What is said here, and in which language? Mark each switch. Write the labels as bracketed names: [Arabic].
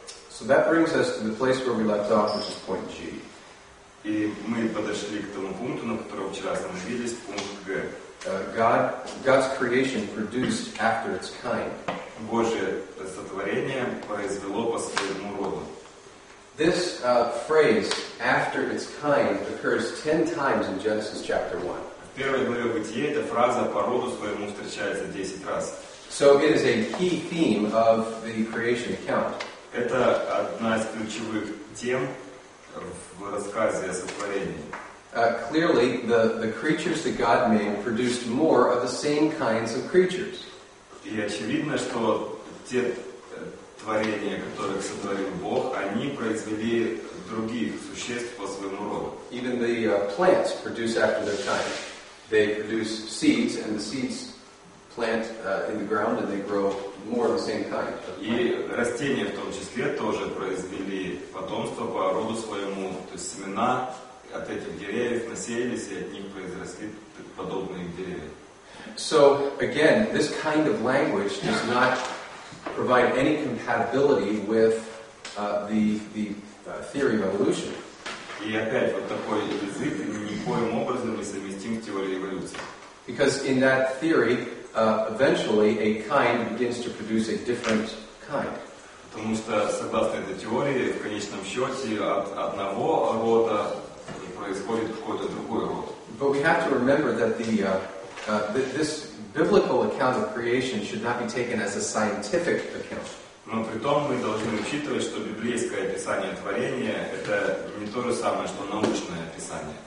[English] So that brings us to the place where we left off, which is point G. [Russian] И мы подошли к тому пункту, на котором вчера остановились, пункт G. [English] God's creation produced after its kind. [Russian] Божье сотворение произвело по своему роду. [English] This phrase, after its kind, occurs 10 times in Genesis chapter 1. [Russian] первой главе Бытия эта фраза «по роду своему» встречается 10 раз. [English] So it is a key theme of the creation account. [Russian] Это одна из ключевых тем в рассказе о сотворении. [English] Clearly, the creatures that God made produced more of the same kinds of creatures. [Russian] И очевидно, что те творения, которых сотворил Бог, они произвели других существ по своему роду. [English] Even the plants produce after their kind. They produce seeds, and the seeds plant in the ground, and they grow more of the same kind. [Russian] И растения в том числе тоже произвели потомство по роду своему, то есть семена от этих деревьев насеялись, и от них произросли подобные деревья. [English] So, again, this kind of language does not provide any compatibility with the theory of evolution. [Russian] И опять, вот такой язык никоим образом не совместим с теорией эволюции. [English] Because in that theory, eventually, a kind begins to produce a different kind. [Russian] Потому что, согласно этой теории, в конечном счете, от одного рода происходит какой-то другой род. [English] But we have to remember that this biblical account of creation should not be taken as a scientific account. [Russian] Но при том мы должны учитывать, что библейское описание творения это не то же самое, что научное описание.